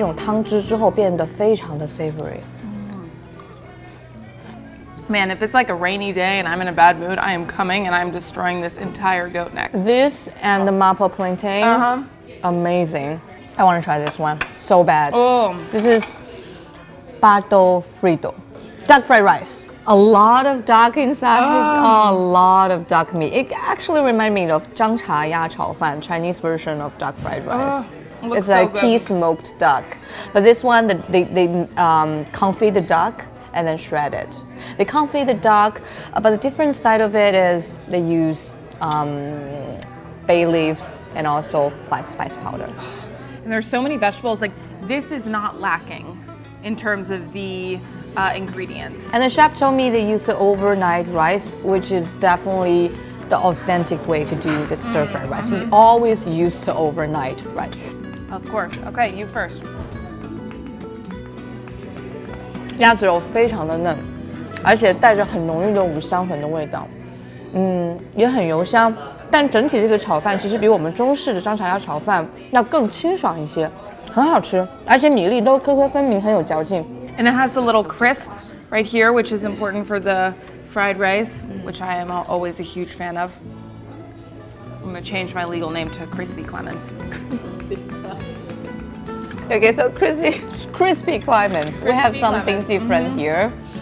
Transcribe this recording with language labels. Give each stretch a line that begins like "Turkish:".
Chinese: 而且简直就像化开在你的嘴里的那种感觉，你不太能尝到太多五香粉的味道，但是我相信五香粉的味道在这个肉的肉汁的形成过程当中是起到了很大的作用。总之，我觉得这道菜好好吃啊！而且我想说的是，它下面铺的那些蔬菜，包括有炒白菜、蘑菇，还有胡萝卜，吃上去你知道吗？这种锅气的焦香味很浓郁，而且这些蔬菜在吸收了羊颈的这种汤汁之后，变得非常的 savory。
English: Man, if it's like a rainy day and I'm in a bad mood, I am coming and I'm destroying this entire goat neck. This and the Mapo plantain, amazing. I want to try this one so bad. Oh. This is pato frito, duck fried rice. A lot of duck inside, a lot of duck meat. It actually reminded me of zhang cha ya chao fan, Chinese version of duck fried rice. It's so like good. Tea smoked duck. But this one, they confit the duck. And then shred it. They confit the duck, but the different side of it is they use bay leaves and also five spice powder. And there's so many vegetables. Like this is not lacking in terms of the ingredients. And the chef told me they use the overnight rice, which is definitely the authentic way to do the stir fried rice. You always use the overnight rice. Of course. Okay, you first.
Chinese: 鸭子肉非常的嫩，而且带着很浓郁的五香粉的味道，嗯，也很油香，但整体这个炒饭其实比我们中式的张炒鸭炒饭要更清爽一些，很好吃，而且米粒都颗颗分明，很有嚼劲。
English: And it has a little crisp right here, which is important for the fried rice, which I am always a huge fan of. I'm going to change my legal name to Crispy Clemens. Okay, so Crispy Clemens. We have something different here.